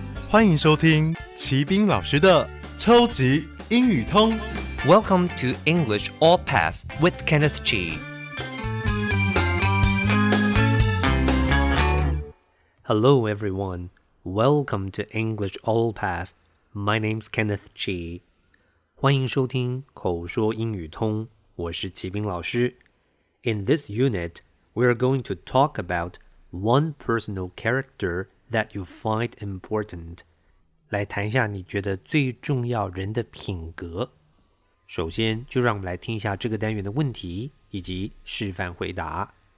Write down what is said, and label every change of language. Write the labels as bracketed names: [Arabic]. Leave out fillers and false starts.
[Chinese] 欢迎收听齐宾老师的超级英语通。 [English] Welcome to English All Pass with Kenneth G. Hello, everyone. Welcome to English All Pass. My name's Kenneth G. [Chinese] 欢迎收听口说英语通。我是齐宾老师。 [English] In this unit, we are going to talk about one personal character that you find important. [Chinese] 来谈一下你觉得最重要人的品格。首先就让我们来听一下这个单元的问题以及示范回答。